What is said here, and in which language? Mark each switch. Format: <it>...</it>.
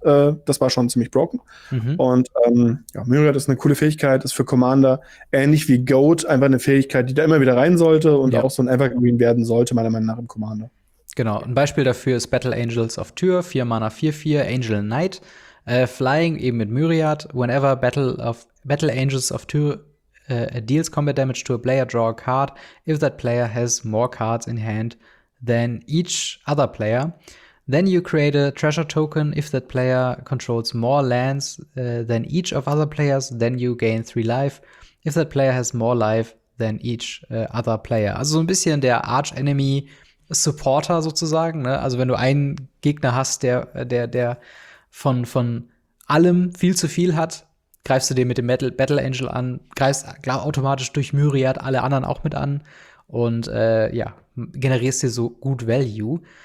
<de>Das war schon ziemlich broken. Und Myriad ist eine coole Fähigkeit, ist für Commander ähnlich wie Goat einfach eine Fähigkeit, die da immer wieder rein sollte und auch so ein Evergreen werden sollte, meiner Meinung nach, im Commander. Genau, ein Beispiel dafür ist Battle Angels of Tyr, 4 Mana, 4/4, Angel Knight.</de> <en>Flying</en> <de>eben mit</de> <en>Myriad, whenever Battle Angels of Tyr deals combat damage to a player, draw a card if that player has more cards in hand than each other player. Then you create a treasure token if that player controls more lands than each of other players, then you gain 3 life if that player has more life than each other player.</en> <de>Also so ein bisschen der Arch-Enemy-Supporter sozusagen, ne? Also wenn du einen Gegner hast, der von allem viel zu viel hat, greifst du den mit dem Battle Angel an, greifst automatisch durch Myriad alle anderen auch mit an und generierst dir so gut Value.</de>